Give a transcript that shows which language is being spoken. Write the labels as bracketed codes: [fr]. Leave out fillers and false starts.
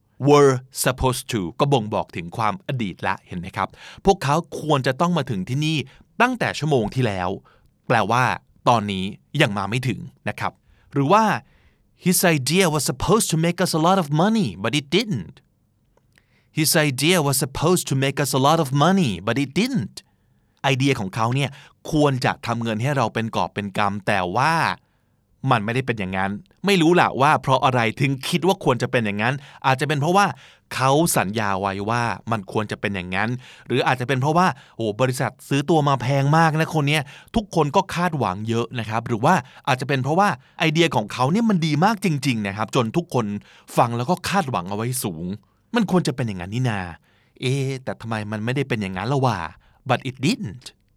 [en] Were supposed to [th] ก็บ่งบอกถึงความอดีตละเห็นไหมครับพวกเขาควรจะต้องมาถึงที่นี่ตั้งแต่ชั่วโมงที่แล้วแปลว่าตอนนี้ยังมาไม่ถึงนะครับหรือว่า [en] His idea was supposed to make us a lot of money, but it didn't. His idea was supposed to make us a lot of money, but it didn't. [th] ไอเดียของเขาเนี่ยควรจะทำเงินให้เราเป็นกอบเป็นกำแต่ว่ามันไม่ได้เป็นอย่างนั้นไม่รู้แหละว่าเพราะอะไรถึงคิดว่าควรจะเป็นอย่างนั้นอาจจะเป็นเพราะว่า เขาสัญญาไว้ว่ามันควรจะเป็นอย่างนั้นหรืออาจจะเป็นเพราะว่าโอ้บริษัทซื้อตัวมาแพงมากนะคนนี้ทุกคนก็คาดหวังเยอะนะครับหรือว่าอาจจะเป็นเพราะว่าไอเดียของเขาเนี่ยมันดีมากจริงๆนะครับจนทุกคนฟังแล้วก็คาดหวังเอาไว้สูงมันควรจะเป็นอย่างนั้นนี่นาเอ๊แต่ทำไมมันไม่ได้เป็นอย่างนั้นละว่า [en] but it didn't